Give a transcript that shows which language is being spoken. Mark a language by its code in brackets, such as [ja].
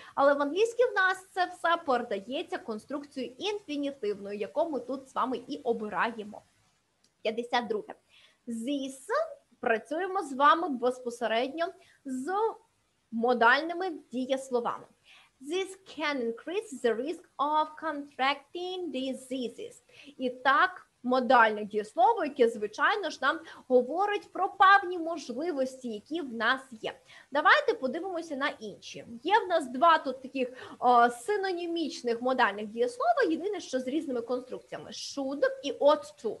[uk] Але в англійській в нас це все передається конструкцією інфінітивною, яку ми тут з вами і обираємо. 52. This працюємо з вами безпосередньо з модальними дієсловами. [en] This can increase the risk of contracting diseases. [uk] І так, модальне дієслово, яке, звичайно ж, нам говорить про певні можливості, які в нас є. Давайте подивимося на інші. Є в нас два тут таких синонімічних модальних дієслова, єдине, що з різними конструкціями. [en] Should і ought to.